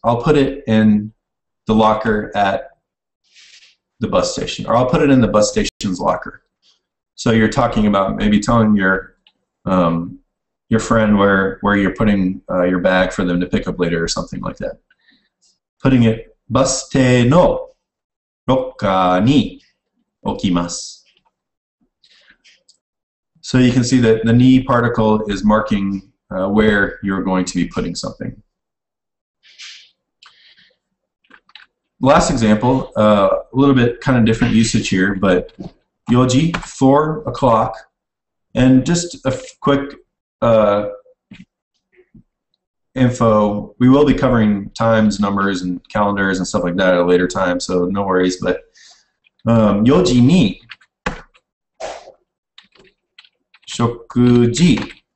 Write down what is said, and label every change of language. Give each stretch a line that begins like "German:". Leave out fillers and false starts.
English: I'll put it in the locker at the bus station, or I'll put it in the bus station's locker. So you're talking about maybe telling your friend where you're putting your bag for them to pick up later or something like that. Putting it
Japanese: バス停のロッカーに置きます。
English: So you can see that the ni particle is marking where you're going to be putting something. Last example, a little bit kind of different usage here, but yoji, 4 o'clock, and just a quick info, we will be covering times, numbers, and calendars and stuff like that at a later time, so no worries, but yoji ni, shokuji.